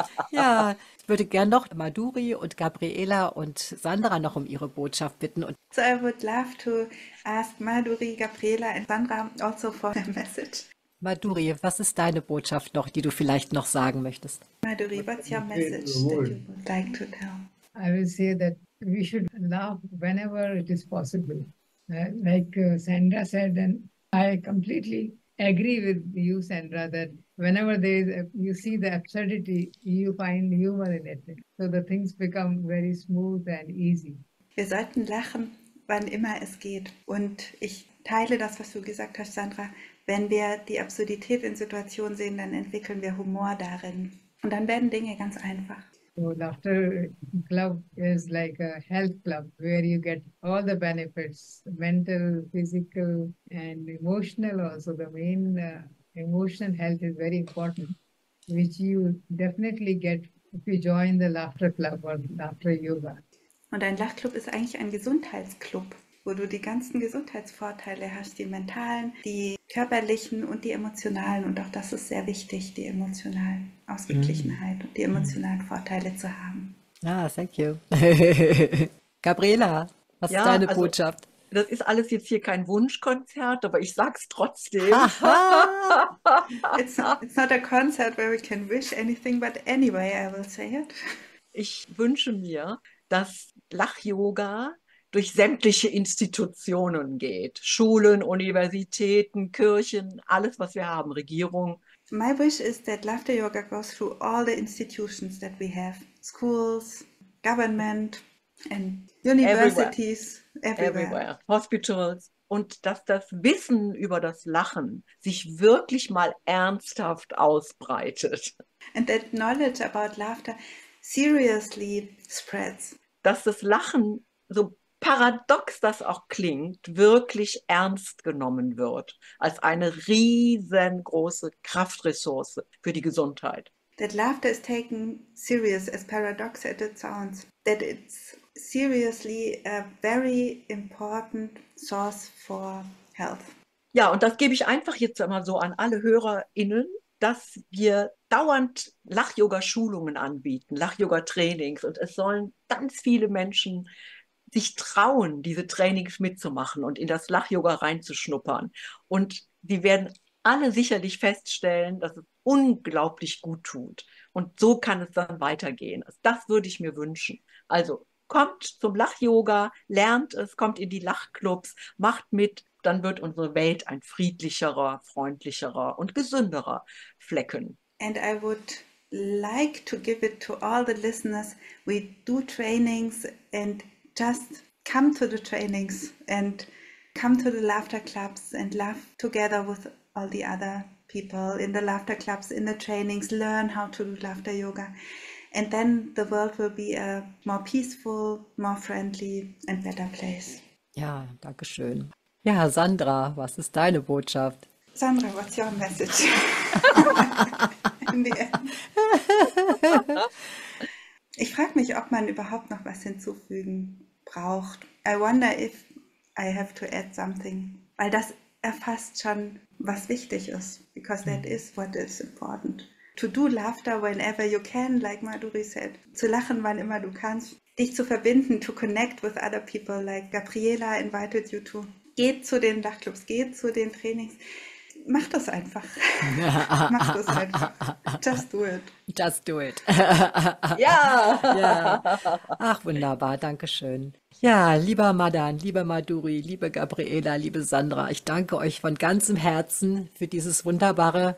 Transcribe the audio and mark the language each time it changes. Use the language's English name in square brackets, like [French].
[German] Ja, ich würde gerne noch Maduri und Gabriela und Sandra noch um ihre Botschaft bitten. Und [English] so I would love to ask Maduri, Gabriela and Sandra also for a message. [German] Maduri, was ist deine Botschaft noch, die du vielleicht noch sagen möchtest? [English] Maduri, what's your message that you would like to tell? I will say that we should love whenever it is possible. Sandra said, and I completely agree with you, Sandra, that whenever there is you see the absurdity, you find humor in it. So the things become very smooth and easy. [German] Wir sollten lachen, wann immer es geht. Und ich teile das, was du gesagt hast, Sandra. Wenn wir die Absurdität in Situationen sehen, dann entwickeln wir Humor darin. Und dann werden Dinge ganz einfach. [English] So laughter club is like a health club where you get all the benefits, mental, physical and emotional also. The main emotional health is very important, which you definitely get if you join the laughter club or laughter yoga. [German] Und ein Lachclub ist eigentlich ein Gesundheitsclub, wo du die ganzen Gesundheitsvorteile hast, die mentalen, die körperlichen und die emotionalen. Und auch das ist sehr wichtig, die emotionale Ausgeglichenheit und die emotionalen Vorteile zu haben. [English] Ah, thank you. [German] Gabriela, was ist deine Botschaft? Das ist alles jetzt hier kein Wunschkonzert, aber ich sag's trotzdem. [English] It's not a concert where we can wish anything, but anyway, I will say it. [German] Ich wünsche mir, dass Lach-Yoga durch sämtliche Institutionen geht. Schulen, Universitäten, Kirchen, alles, was wir haben, Regierung. [English] My wish is that laughter yoga goes through all the institutions that we have. Schools, government and universities. Everywhere. Hospitals. [German] Und dass das Wissen über das Lachen sich wirklich mal ernsthaft ausbreitet. [English] And that knowledge about laughter seriously spreads. [German] Dass das Lachen, so paradox das auch klingt, wirklich ernst genommen wird als eine riesengroße Kraftressource für die Gesundheit. [English] That laughter is taken serious, as paradox as it sounds. That it's seriously a very important source for health. [German] Ja, und das gebe ich einfach jetzt einmal so an alle HörerInnen, dass wir dauernd Lach-Yoga-Schulungen anbieten, Lach-Yoga-Trainings, und es sollen ganz viele Menschen sich trauen, diese Trainings mitzumachen und in das Lach-Yoga reinzuschnuppern. Und sie werden alle sicherlich feststellen, dass es unglaublich gut tut. Und so kann es dann weitergehen. Das würde ich mir wünschen. Also kommt zum Lach-Yoga, lernt es, kommt in die Lachclubs, macht mit, dann wird unsere Welt ein friedlicherer, freundlicherer und gesünderer Flecken. [English] And I would like to give it to all the listeners. We do trainings and just come to the trainings and come to the laughter clubs and laugh together with all the other people in the laughter clubs, in the trainings, learn how to do laughter yoga. And then the world will be a more peaceful, more friendly and better place. [German] Ja, danke schön. Ja, Sandra, was ist deine Botschaft? [English] Sandra, what's your message? In the end. [German] Ich frage mich, ob man überhaupt noch was hinzufügen braucht. [English] I wonder if I have to add something. [German] Weil das erfasst schon, was wichtig ist. [English] Because that is what is important. To do laughter whenever you can, like Maduri said. [German] Zu lachen, wann immer du kannst. Dich zu verbinden, [English] to connect with other people, like Gabriela invited you to. [German] Geht zu den Lachclubs, geht zu den Trainings. Mach das einfach. Mach das einfach. [English] Just do it. Just do it. [German] Ja. Ja. Ach, wunderbar. Dankeschön. Ja, lieber Madan, lieber Maduri, liebe Gabriela, liebe Sandra, ich danke euch von ganzem Herzen für dieses wunderbare